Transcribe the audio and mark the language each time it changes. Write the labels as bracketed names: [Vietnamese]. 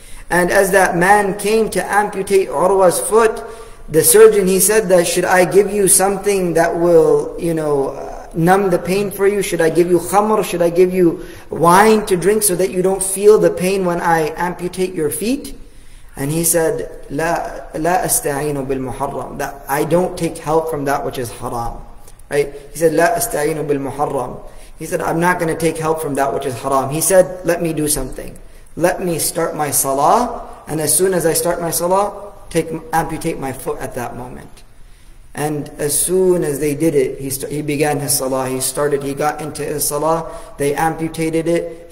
[English] And as that man came to amputate Urwa's foot, the surgeon, he said that, should I give you something that will, you know, numb the pain for you? Should I give you khamr? Should I give you wine to drink so that you don't feel the pain when I amputate your feet? And he said, [Arabic] لَا أَسْتَعِينُ بِالْمُحَرَّمُ. [English] That I don't take help from that which is haram. Right? He said, [Arabic] لَا أَسْتَعِينُ بِالْمُحَرَّمُ. [English] He said, I'm not going to take help from that which is haram. He said, let me do something. Let me start my salah. And as soon as I start my salah, amputate my foot at that moment. And as soon as they did it, he began his salah. He got into his salah. They amputated it.